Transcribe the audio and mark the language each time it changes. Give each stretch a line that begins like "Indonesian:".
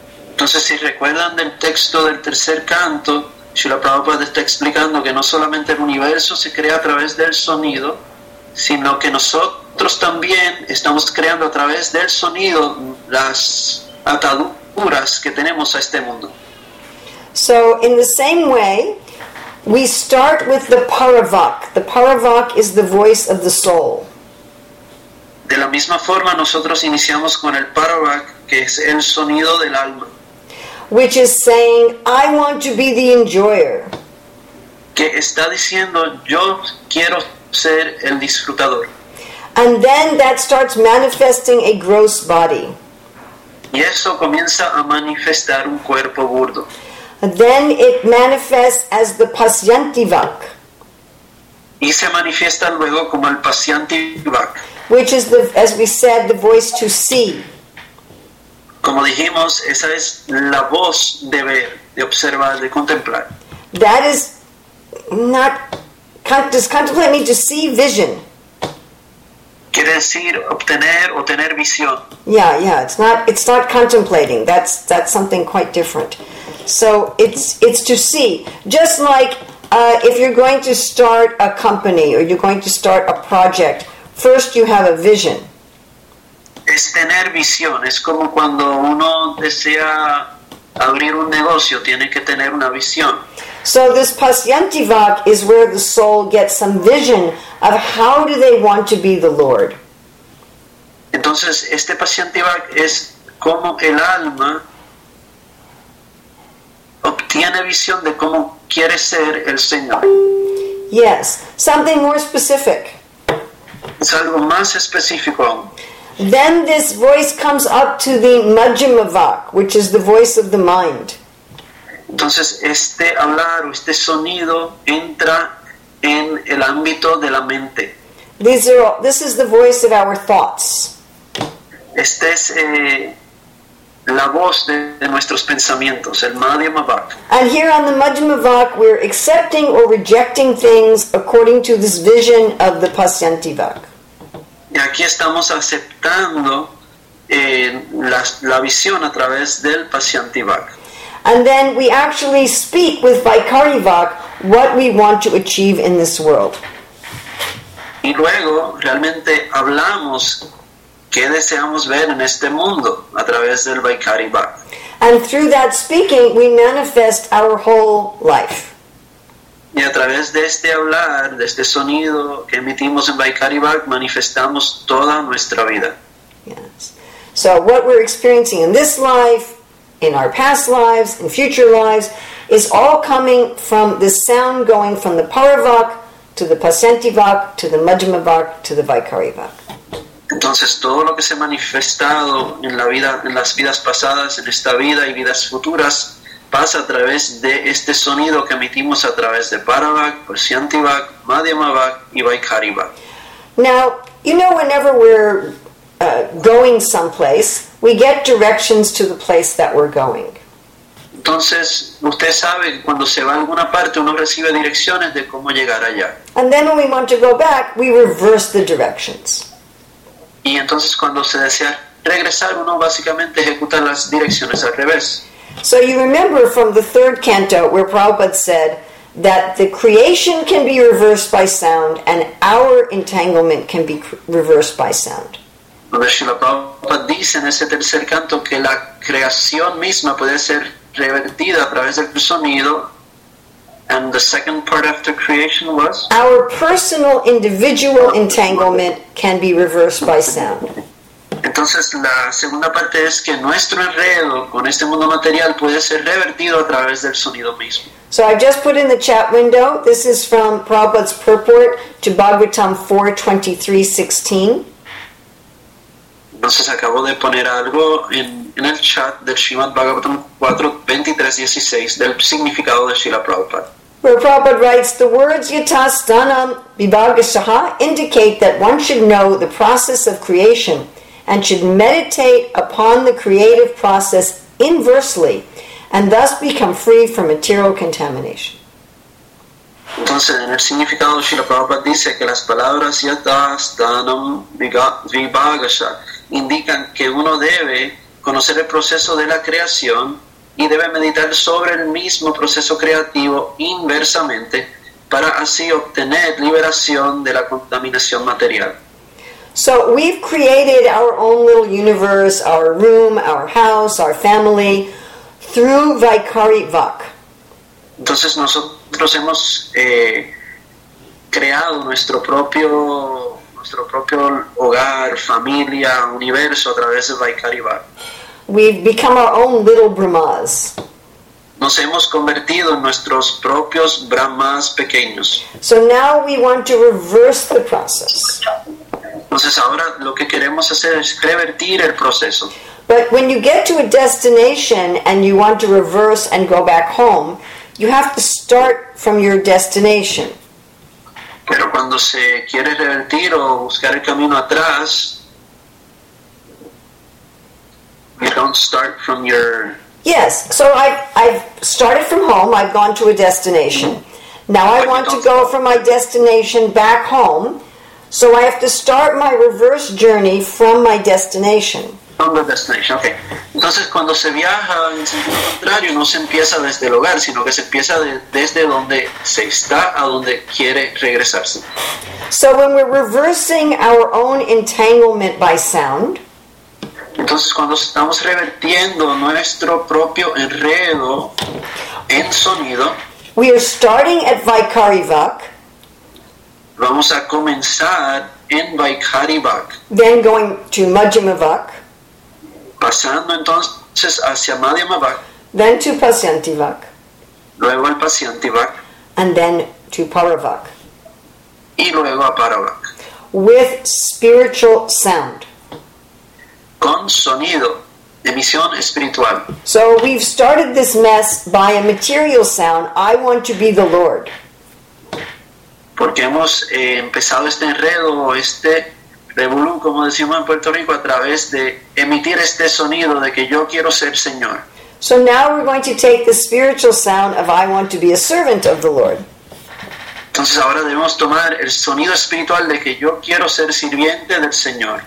Spanish: Entonces, si recuerdan del texto del tercer canto, Srila Prabhupada está explicando que no solamente el universo se crea a través del sonido, sino que nosotros también estamos creando a través del sonido las ataduras que tenemos a este mundo.
English: So, in the same way, we start with the paravak. The paravak is the voice of the soul.
Spanish: De la misma forma, nosotros iniciamos con el paravak, que es el sonido del alma.
English: Which is saying, I want to be the enjoyer.
Spanish: Que está diciendo, yo quiero ser el disfrutador.
English: And then that starts manifesting a gross body.
Spanish: Y eso comienza a manifestar un cuerpo burdo.
English: Then it manifests as the pasyantivak.
Spanish: Y se manifiesta luego como el pasyantivak.
English: Which is, as we said, the voice to see.
Spanish: Como dijimos, esa es la voz de ver, de observar, de contemplar.
English: That is not... Does contemplate mean to see vision?
Spanish: Quiere decir obtener o tener visión.
English: Yeah, it's not contemplating. That's something quite different. So it's to see. Just like if you're going to start a company or you're going to start a project, first you have a vision.
Spanish: Es tener visión. Es como cuando uno desea abrir un negocio, tiene que tener una visión.
English: So this pasyantivak is where the soul gets some vision of how do they want to be the Lord.
Spanish: Entonces, este pasyantivak es como el alma obtiene visión de cómo quiere ser el Señor.
English: Yes, something more specific.
Spanish: Es algo más específico.
English: Then this voice comes up to the majjhimavak, which is the voice of the mind.
Spanish: Entonces, este hablar o este sonido entra en el ámbito de la mente.
English: This is the voice of our thoughts.
Spanish: Este es la voz de nuestros pensamientos, el majjhimavak.
English: And here on the majjhimavak, we're accepting or rejecting things according to this vision of the pasyantivak.
Spanish: Y aquí estamos aceptando la visión a través del pasyantivak.
English: And then we actually speak with Vaikarivak what we want to achieve in this world.
Spanish: Y luego realmente hablamos qué deseamos ver en este mundo a través del Vaikarivak.
English: And through that speaking, we manifest our whole life.
Spanish: Y a través de este hablar, de este sonido que emitimos en Vaikarivak, manifestamos toda nuestra vida.
English: Yes. So what we're experiencing in this life, in our past lives, in future lives, is all coming from the sound going from the Paravak to the Pasyantivak to the Majjhimavak to the Vaikarivak.
Spanish: Entonces, todo lo que se ha manifestado en la vida, en las vidas pasadas, en esta vida y vidas futuras, pasa a través de este sonido que emitimos a través de Paravak, Pasyantivak, Madhyamavak y Vaikarivak.
English: Now, you know, whenever we're going someplace, we get directions to the place that we're going.
Spanish: Entonces, usted sabe que cuando se va a alguna parte, uno recibe direcciones de cómo llegar allá.
English: And then when we want to go back, we reverse the directions.
Spanish: Y entonces, cuando se desea regresar, uno básicamente ejecuta las direcciones al revés.
English: So you remember from the third canto where Prabhupada said that the creation can be reversed by sound and our entanglement can be reversed by sound.
Spanish: donde Srila Prabhupada dice en ese tercer canto que la creación misma puede ser revertida a través del sonido.
English: And the second part after creation was? Our personal individual entanglement can be reversed by sound.
Spanish: Entonces la segunda parte es que nuestro enredo con este mundo material puede ser revertido a través del sonido mismo.
English: So I just put in the chat window, this is from Prabhupada's purport to Bhagavatam 4.23.16.
Spanish: Entonces acabo de poner algo en el chat del Srimad Bhagavatam 4.23.16 del significado de Srila Prabhupada.
English: Where Prabhupada writes, the words yatastanam vibhagasaha indicate that one should know the process of creation and should meditate upon the creative process inversely and thus become free from material contamination.
Spanish: Entonces, en el significado de Srila Prabhupada dice que las palabras yatastanam vibhagasaha indican que uno debe conocer el proceso de la creación y debe meditar sobre el mismo proceso creativo inversamente para así obtener liberación de la contaminación material.
English: So we've created our own little universe, our room, our house, our family, through Vaikari Vak.
Spanish: Entonces nosotros hemos creado nuestro propio hogar, familia, universo a través de Vaikari Vak.
English: We've become our own little Brahmas.
Spanish: Nos hemos convertido en nuestros propios Brahmas pequeños.
English: So now we want to reverse the process.
Spanish: Entonces ahora lo que queremos hacer es revertir el proceso.
English: But when you get to a destination and you want to reverse and go back home, you have to start from your destination.
Spanish: Pero cuando se quiere revertir o buscar el camino atrás,
English: you don't start from your... Yes, so I've started from home, I've gone to a destination. Now I want to go from my destination back home, so I have to start my reverse journey from my destination. From the destination, okay.
Spanish: Entonces cuando se viaja en sentido contrario, no se empieza desde el hogar, sino que se empieza desde donde se está a donde quiere regresarse.
English: So when we're reversing our own entanglement by sound...
Spanish: Entonces, cuando estamos revertiendo nuestro propio enredo en sonido,
English: we are starting at Vaikari Vak.
Spanish: Vamos a comenzar en Vaikari Vak.
English: Then going to Majjhima Vak.
Spanish: Pasando entonces hacia Madhyama Vak.
English: Then to Pasyanti Vak.
Spanish: Luego al Pasyanti Vak.
English: And then to Paravak.
Spanish: Y luego a Paravak.
English: With spiritual sound.
Spanish: Con sonido, emisión espiritual.
English: So we've started this mess by a material sound. I want to be the Lord.
Spanish: Porque hemos empezado este enredo, este revolú, como decimos en Puerto Rico, a través de emitir este sonido de que yo quiero ser Señor.
English: So now we're going to take the spiritual sound of I want to be a servant of the Lord.
Spanish: Entonces ahora debemos tomar el sonido espiritual de que yo quiero ser sirviente del Señor.